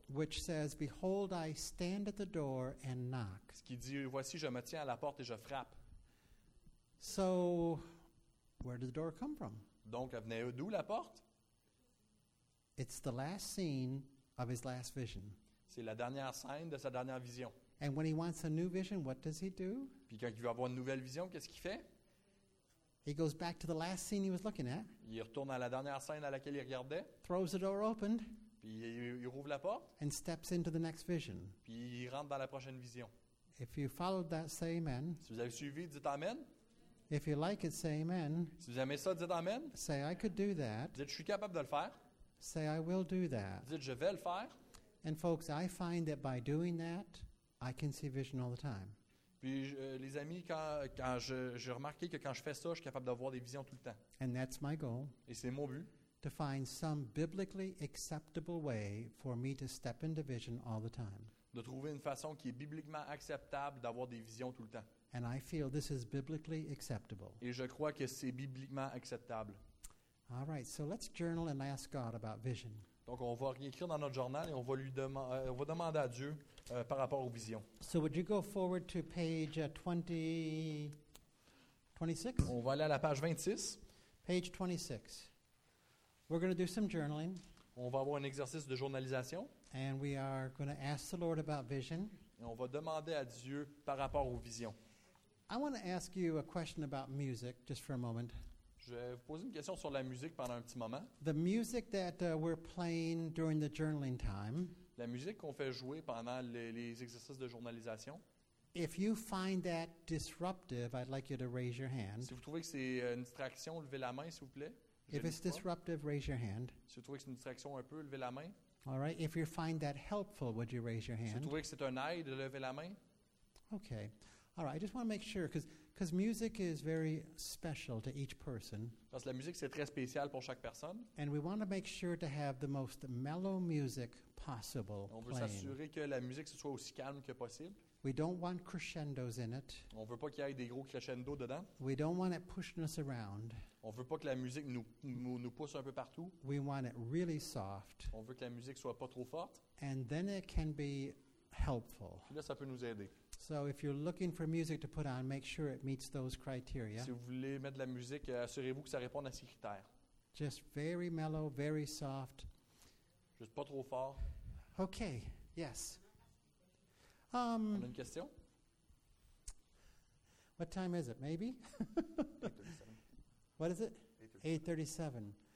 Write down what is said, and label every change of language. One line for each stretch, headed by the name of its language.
English: Which says, "Behold, I stand at the door and knock."
French: Ce qui dit, voici, je me tiens à la porte et je frappe.
English: So, where did the door come from?
French: Donc, elle venait d'où la porte?
English: It's the last scene of his last vision.
French: C'est la dernière scène de sa dernière vision.
English: And when he wants a new vision, what does he do?
French: Puis quand il veut avoir une nouvelle vision, qu'est-ce qu'il fait?
English: He goes back to the last scene he was looking at.
French: Il retourne à la dernière scène à laquelle il regardait.
English: Throws the door open.
French: Puis il rouvre la porte.
English: And steps into the next vision.
French: Puis il rentre dans la prochaine vision.
English: If you followed that, say amen.
French: Si vous avez suivi, dites amen.
English: If you like it, say amen.
French: Si vous aimez ça, dites amen.
English: Say I could do that.
French: Dites je suis capable de le faire.
English: Say I will do that.
French: Dites je vais le faire.
English: And folks, I find that by doing that, I can see vision all the time.
French: Puis les amis, quand j'ai remarqué que quand je fais ça, je suis capable d'avoir des visions tout le temps.
English: And that's my goal.
French: Et c'est mon but.
English: To find some biblically acceptable way for me to step into vision all the time.
French: De trouver une façon qui est bibliquement acceptable d'avoir des visions tout le temps.
English: And I feel this is biblically acceptable.
French: Et je crois que c'est bibliquement acceptable.
English: All right, so let's journal and ask God about vision.
French: Donc on va réécrire dans notre journal et on va demander à Dieu par rapport aux visions.
English: So would you go forward to page 26?
French: On va aller à la page 26.
English: Page 26. We're going to do some journaling.
French: On va avoir un exercice de journalisation.
English: And we are going to ask the Lord about vision.
French: Et on va demander à Dieu par rapport aux visions.
English: I want to ask you a question about music just for a moment.
French: Je vais vous poser une question sur la musique pendant un petit moment.
English: The music that we're playing during the journaling time.
French: La musique qu'on fait jouer pendant les exercices de journalisation.
English: If you find that disruptive, I'd like you to raise your hand.
French: Si vous trouvez que c'est une distraction, levez la main s'il vous plaît.
English: If it's disruptive, raise your hand.
French: Si vous trouvez que c'est une distraction un peu, levez la main.
English: All right. If you find that helpful, would you raise your hand?
French: Si vous trouvez que c'est un aide, levez la main.
English: Okay. All right, I just want to make sure, because music is very special to each person.
French: Parce que la musique, c'est très spécial pour chaque personne.
English: And we want to make sure to have the most mellow music possible.
French: On veut s'assurer que la musique ce soit aussi calme que possible.
English: We don't want crescendos in it.
French: On ne veut pas qu'il y ait des gros crescendo dedans.
English: We don't want it pushing us around.
French: On ne veut pas que la musique nous pousse un peu partout.
English: We want it really soft.
French: On veut que la musique soit pas trop forte.
English: And then it can be helpful.
French: Puis là, ça peut nous aider.
English: So if you're looking for music to put on, make sure it meets those criteria.
French: Si vous voulez mettre de la musique, assurez-vous que ça réponde à ces critères.
English: Just very mellow, very soft.
French: Juste pas trop fort.
English: Okay, yes.
French: On a une question?
English: What time is it, maybe? 8:37. What is it? 8:37.